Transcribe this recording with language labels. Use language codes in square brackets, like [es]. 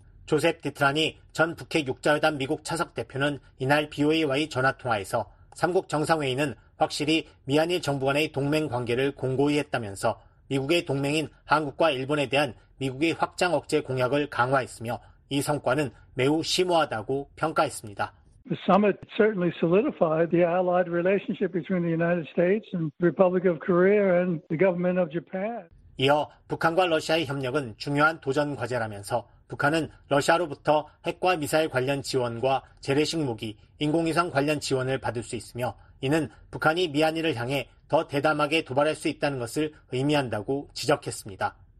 [ko] 조셉 디트라니 전 북핵 6자회담 미국 차석 대표는 이날 BOA와의 전화통화에서 3국 정상회의는 확실히 미한일 정부 간의 동맹 관계를 공고히 했다면서 미국의 동맹인 한국과 일본에 대한 미국의 확장 억제 공약을 강화했으며 이 성과는 매우 심오하다고 평가했습니다. [en] The summit certainly solidified the allied relationship between the United States and the Republic of Korea and the government of Japan. [ko] 이어 북한과 러시아의 협력은 중요한 도전 과제라면서 북한은 러시아로부터 핵과 미사일 관련 지원과 재래식 무기, 인공위성 관련 지원을 받을 수 있으며 이는 북한이 미한일을 향해 더 대담하게 도발할 수 있다는 것을 의미한다고 지적했습니다.